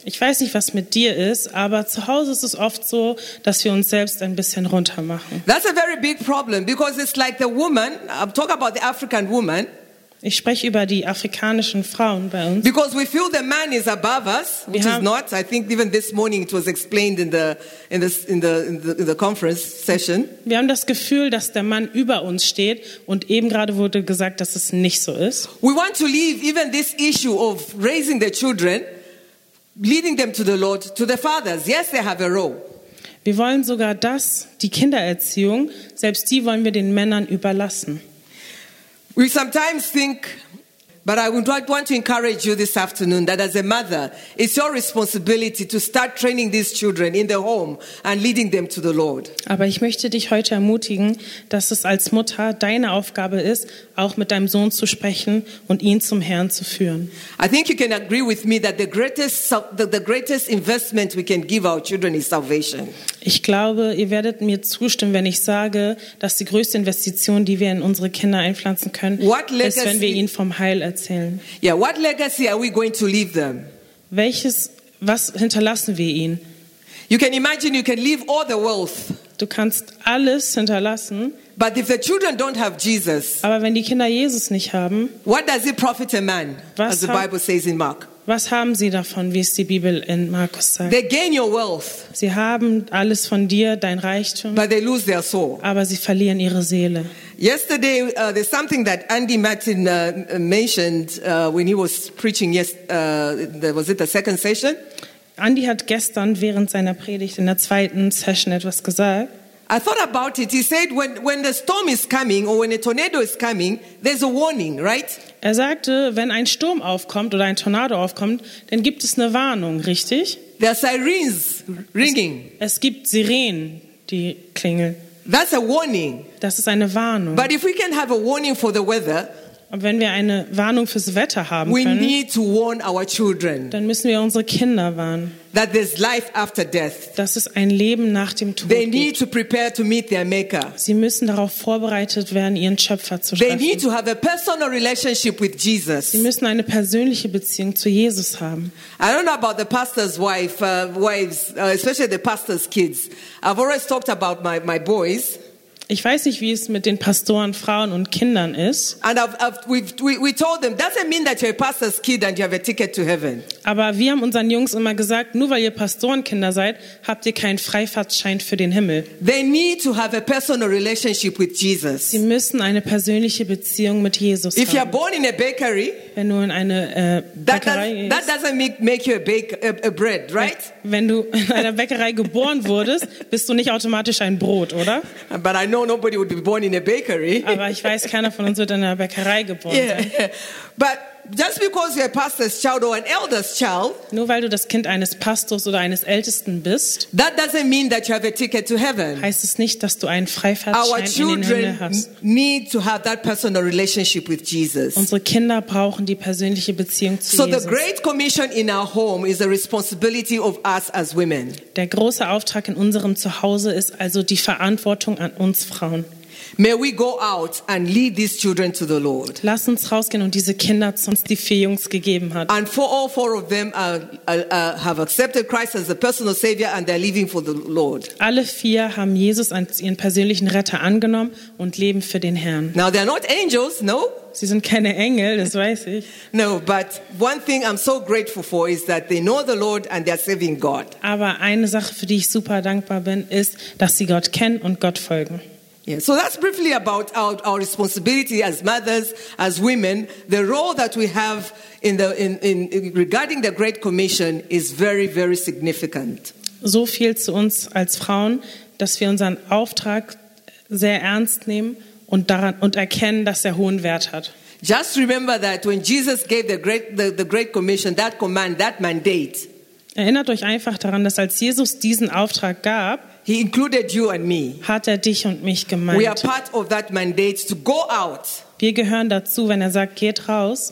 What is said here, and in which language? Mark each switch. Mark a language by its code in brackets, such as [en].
[de] Ich weiß nicht, was mit dir ist, aber zu Hause ist es oft so, dass wir uns selbst ein bisschen runtermachen. [en] That's a very big problem because it's like the woman, I'm talking about the African woman. [de] Ich spreche über die afrikanischen Frauen bei uns. [en] Because we feel the man is above us, which is not. I think even this morning it was explained in the conference session. [de] Wir haben das Gefühl, dass der Mann über uns steht, und eben gerade wurde gesagt, dass es nicht so ist. [en] We want to leave even this issue of raising the children, leading them to the Lord, to the fathers. Yes, they have a role. [de] Wir wollen sogar das, die Kindererziehung, selbst die wollen wir den Männern überlassen. [en] We sometimes think, but I would want to encourage you this afternoon that as a mother, it's your responsibility to start training these children in the home and leading them to the Lord. [de] Aber ich möchte dich heute ermutigen, dass es als Mutter deine Aufgabe ist, auch mit deinem Sohn zu sprechen und ihn zum Herrn zu führen. [en] I think you can agree with me that the greatest investment we can give our children is salvation. [de] Ich glaube, ihr werdet mir zustimmen, wenn ich sage, dass die größte Investition, die wir in unsere Kinder einpflanzen können, ist, wenn wir ihnen vom Heil erzählen. [en] Yeah, what legacy are we going to leave them? [de] Was hinterlassen wir ihnen? [en] You can imagine you can leave all the wealth. [de] Du kannst alles hinterlassen. [en] But if the children don't have Jesus, [de] aber wenn die Kinder Jesus nicht haben, [en] what does it profit a man, as the Bible says in Mark? [de] Was haben sie davon, wie es die Bibel in Markus sagt? [en] They gain your wealth. [de] Sie haben alles von dir, dein Reichtum. [en] But they lose their soul. [de] Aber sie verlieren ihre Seele. [en] Yesterday, there's something that Andy Martin mentioned when he was preaching. Was it the second session? [de] Andy hat gestern während seiner Predigt in der zweiten Session etwas gesagt. [en] I thought about it. He said, when the storm is coming or when a tornado is coming, there's a warning, right? [de] Er sagte, wenn ein Sturm aufkommt oder ein Tornado aufkommt, dann gibt es eine Warnung, richtig? [en] There are sirens ringing. [de] Es gibt Sirenen, die klingeln. [en] That's a warning. [de] Das ist eine Warnung. [en] But if we can have a warning for the weather, [de] und wenn wir eine Warnung fürs Wetter haben können, [en] we need to warn our children, [de] dann müssen wir unsere Kinder warnen. [en] That there's life after death. [de] Dass es ein Leben nach dem Tod [en] they need [de] gibt. [en] To prepare to meet their maker. [de] Sie müssen darauf vorbereitet werden, ihren Schöpfer zu [en] they [de] treffen. [en] Need to have a personal relationship with Jesus. [de] Sie müssen eine persönliche Beziehung zu Jesus haben. [en] I don't know about the pastor's wives, especially the pastor's kids. I've always talked about my boys. [de] Ich weiß nicht, wie es mit den Pastoren, Frauen und Kindern ist. [en] And we told them, doesn't mean that you're a pastor's kid and you have a ticket to heaven. [de] Aber wir haben unseren Jungs immer gesagt, nur weil ihr Pastorenkinder seid, habt ihr keinen Freifahrtschein für den Himmel. [en] They need to have a personal relationship with Jesus. [de] Sie müssen eine persönliche Beziehung mit Jesus haben. [en] If you're born in a bakery, [de] wenn du in eine Bäckerei gehst. [en] That doesn't make you a bread, right? [de] Wenn du in einer Bäckerei geboren wurdest, bist du nicht automatisch ein Brot, oder? [en] But I know nobody would be born in a bakery. [de] Aber ich weiß, keiner von uns wird in einer Bäckerei geboren. [en] Yeah. But just because you're a pastor's child or an elder's child, [de] nur weil du das Kind eines Pastors oder eines Ältesten bist, [en] that doesn't mean that you have a ticket to heaven. [de] Heißt es nicht, dass du einen Freifahrtschein in den Himmel hast. [en] Our children need to have that personal relationship with Jesus. [de] Unsere Kinder brauchen die persönliche Beziehung zu Jesus. [en] So the great commission in our home is the responsibility of us as women. [de] Der große Auftrag in unserem Zuhause ist also die Verantwortung an uns Frauen. [en] May we go out and lead these children to the Lord. [de] Lass uns rausgehen und diese Kinder zu uns, die vier Jungs gegeben hat. [en] And for all four of them have accepted Christ as a personal savior and they're living for the Lord. [de] Alle vier haben Jesus als ihren persönlichen Retter angenommen und leben für den Herrn. [en] Now they're not angels, no? [de] Sie sind keine Engel, das weiß ich. [en] No, but one thing I'm so grateful for is that they know the Lord and they're serving God. [de] Aber eine Sache, für die ich super dankbar bin, ist, dass sie Gott kennen und Gott folgen. [en] Yeah, so that's briefly about our responsibility as mothers, as women. The role that we have in regarding the Great Commission is very, very significant. [de] So viel zu uns als Frauen, dass wir unseren Auftrag sehr ernst nehmen und daran und erkennen, dass er hohen Wert hat. [en] Just remember that when Jesus gave the great Commission, that command, that mandate. [de] Erinnert euch einfach daran, dass als Jesus diesen Auftrag gab, [en] He included you and me. [de] Hat dich und mich gemeint. [en] We are part of that mandate to go out. [de] Wir gehören dazu, wenn sagt, geht raus.